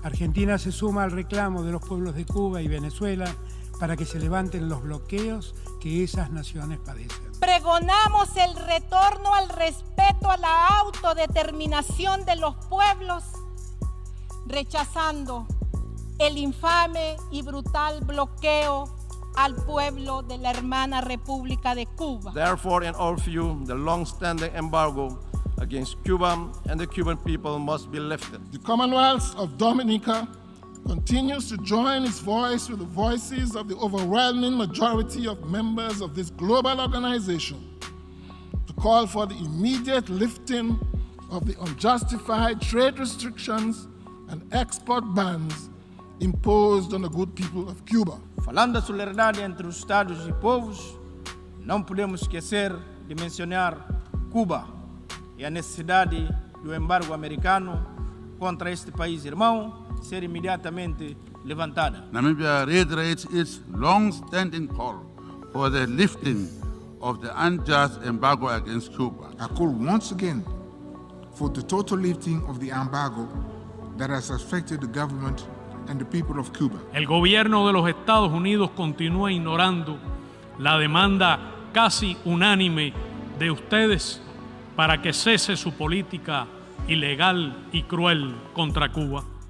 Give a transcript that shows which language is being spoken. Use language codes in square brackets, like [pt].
[es] Argentina se suma al reclamo de los pueblos de Cuba y Venezuela para que se levanten los bloqueos que esas naciones padecen. Pregonamos el retorno al respeto a la autodeterminación de los pueblos, rechazando el infame y brutal bloqueo al pueblo de la hermana República de Cuba. [en] Therefore, in our view, the long-standing embargo against Cuba and the Cuban people must be lifted. The Commonwealth of Dominica continues to join its voice with the voices of the overwhelming majority of members of this global organization to to call for the immediate lifting of the unjustified trade restrictions and export bans imposed on the good people of Cuba. [pt] Falando sobre a verdade entre os estados e povos, não podemos esquecer de mencionar Cuba e a necessidade do embargo americano contra este país irmão ser imediatamente levantada. [en] Namibia reiterates its long-standing call for the lifting of the unjust embargo against Cuba. I call once again for the total lifting of the embargo that has affected the government and the people of Cuba. [es] El gobierno de los Estados Unidos continúa ignorando la demanda casi unánime de ustedes para que cese su política ilegal y cruel contra Cuba.